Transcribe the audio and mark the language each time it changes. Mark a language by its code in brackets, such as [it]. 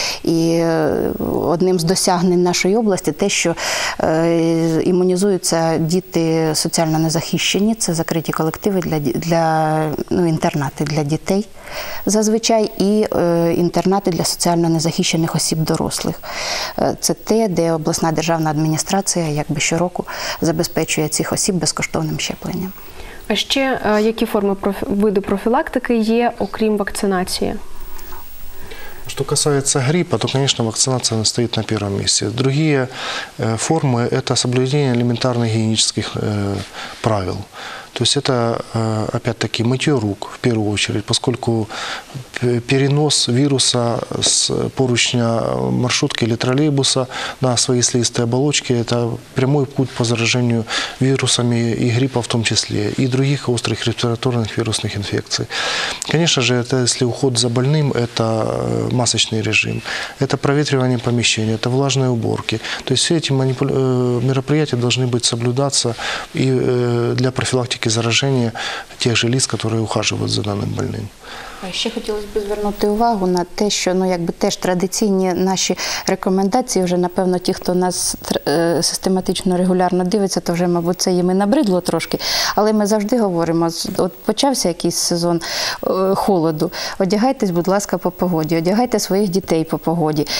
[uk] І одним з досягнень нашої області те, що імунізуються діти соціально незахищені, це закриті колективи інтернати для дітей, зазвичай, і інтернати для соціально незахищених осіб дорослих. Це те, де обласна державна адміністрація якби щороку забезпечує цих осіб безкоштовним щепленням. А ще які форми види профілактики є, окрім вакцинації? [ru] Что касается гриппа, то, конечно, вакцинация стоит на первом месте. Другие формы – это соблюдение элементарных гигиенических правил. То есть это, опять-таки, мытье рук в первую очередь, поскольку перенос вируса с поручня маршрутки или троллейбуса на свои слизистые оболочки – это прямой путь по заражению вирусами и гриппа в том числе, и других острых респираторных вирусных инфекций. Конечно же, это если уход за больным – это масочный режим, это проветривание помещения, это влажные уборки. То есть все эти мероприятия должны быть соблюдаться и для профилактики заражения тех же лиц, которые ухаживают за данным больным. А еще хотелось [uk] хотілося би звернути увагу на те, що теж традиційні наші рекомендації, вже, напевно, ті, хто нас систематично, регулярно дивиться, то вже, мабуть, це їм і набридло трошки. Але ми завжди говоримо, от почався якийсь сезон холоду, одягайтесь, будь ласка, по погоді, одягайте своїх дітей по погоді.